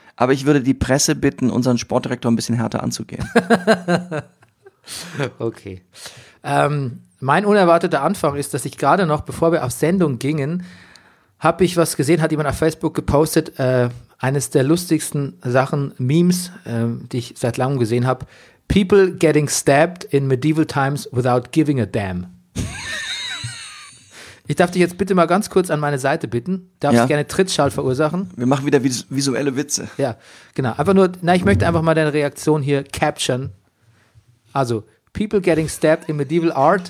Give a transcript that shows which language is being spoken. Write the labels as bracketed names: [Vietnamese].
[German] Aber ich würde die Presse bitten, unseren Sportdirektor ein bisschen härter anzugehen. Okay. Mein unerwarteter Anfang ist, dass ich gerade noch, bevor wir auf Sendung gingen, habe ich was gesehen, hat jemand auf Facebook gepostet, eines der lustigsten Sachen, Memes, die ich seit langem gesehen habe. [English] People getting stabbed in medieval times without giving a damn. [German] Ich darf dich jetzt bitte mal ganz kurz an meine Seite bitten. Darfst du gerne Trittschall verursachen? Wir machen wieder visuelle Witze. Ja, genau. Einfach nur, ich möchte einfach mal deine Reaktion hier capturen. [English] Also, people getting stabbed in medieval art